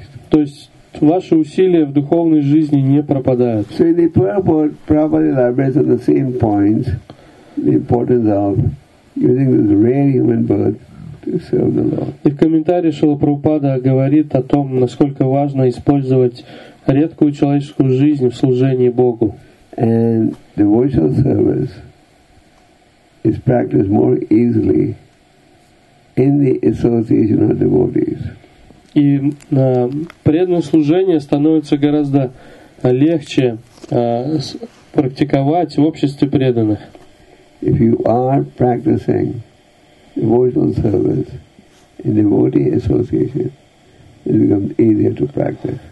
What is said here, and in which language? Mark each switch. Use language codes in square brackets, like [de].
[ru] То есть ваши усилия в духовной жизни не пропадают. [en] So in the purport, Prabhupada elaborates on the same point, the importance of using this rare human birth to serve the Lord. [ru] И в комментарии Шрила Прабхупада говорит о том, насколько важно использовать редкую человеческую жизнь в служении Богу. [en] And devotional service is practiced more easily in the association of devotees. [ru] И преданное служение становится гораздо легче практиковать в обществе преданных. [en] If you are practicing devotional service in devotee association, it becomes easier to practice.